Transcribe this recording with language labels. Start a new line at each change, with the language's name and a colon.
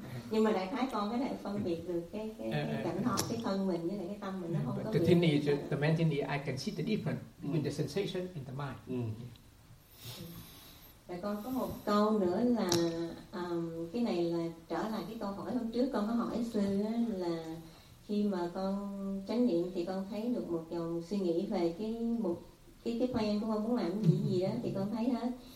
Vietnamese: Nhưng mà đại khái con có thể phân biệt được cái cảnh hợp cái thân mình với lại cái tâm mình, nó không có biết.
English: The main thing is, I can see the difference between the sensation and the mind.
Vietnamese: Và con có một câu nữa là cái này là trở lại cái câu hỏi hôm trước con có hỏi sư á, là khi mà con chánh niệm thì con thấy được một dòng suy nghĩ về cái plan của con muốn làm cái gì á, thì con thấy hết.